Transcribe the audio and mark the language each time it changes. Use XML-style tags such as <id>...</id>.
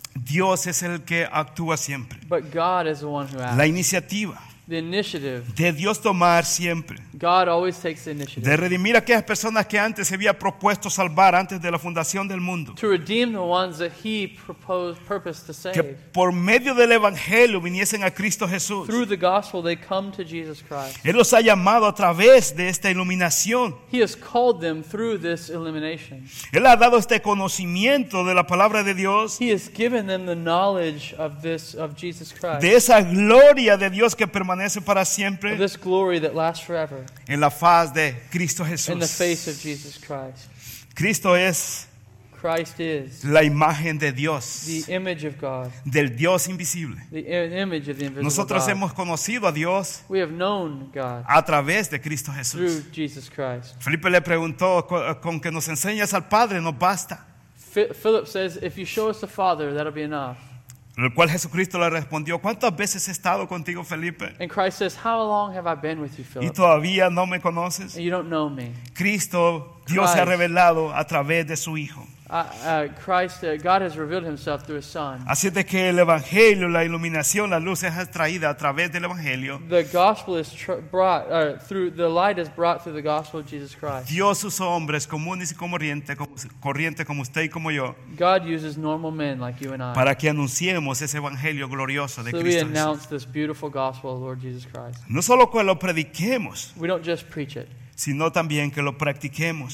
<es>Dios es el que actúa siempre.</es> <en>But God is the one who acts.</en> <es>La iniciativa.</es> <en>The initiative.</en> <es>De Dios tomar siempre.</es> <en>God always takes the initiative.</en> <es>De redimir a aquellas personas que antes se había propuesto salvar antes de la fundación del mundo.</es> <en>To redeem the ones that he purposed to save.</en> <es>Que por medio del evangelio viniesen a Cristo Jesús.</es> <en>Through the gospel they come to Jesus Christ.</en> <es>Él los ha llamado a través de esta iluminación.</es> <en>He has called them through this illumination.</en> <es>Él ha dado este conocimiento de la palabra de Dios.</es> <en>He has given them the knowledge of Jesus Christ.</en> <es>De esa gloria de Dios que permanece para siempre.</es> <en>This glory that lasts forever.</en> <es>En la faz de Cristo Jesús.</es> <en>In the face of Jesus Christ.</en> <es>Cristo es.</es> <en>Christ is.</en> <es>La imagen de Dios.</es> <en>The image of God.</en> <es>Del Dios invisible.</es> <en>The image of the invisible.</en> <es>Nosotros</es> <en>God.</en> <es>Hemos conocido a Dios.</es> <en>We have known God.</en> <es>A través de Cristo Jesús.</es> <en>Through Jesus Christ.</en> <es>Felipe le preguntó, con que nos enseñes al Padre, nos basta.</es> <en>Philip says, if you show us the Father, that'll be enough.</en> <es>El cual Jesucristo le respondió, ¿cuántas veces he estado contigo, Felipe?</es> <en>And Christ says, how long have I been with you, Philip?</en> <es>¿Y todavía no me conoces?</es> <en>And you don't know me.</en> <es>Cristo, Dios se ha revelado a través de su Hijo.</es> <en>God has revealed himself through his Son.</en> <es>Así es de que el Evangelio, la iluminación, la luz es traída a través del Evangelio.</es> <en>The gospel is brought through the gospel of Jesus Christ.</en> <es>Dios usa hombres comunes y corriente como usted y como yo.</es> <en>God uses normal men like you and I.</en> <es>Para que anunciemos ese Evangelio glorioso de</es> <en>so</en> <es>Cristo.</es> <en>So we announce this beautiful gospel of Lord Jesus Christ.</en> <es>No solo que lo prediquemos.</es> <en>We don't just preach it.</en> <es>Sino también que lo practiquemos.</es>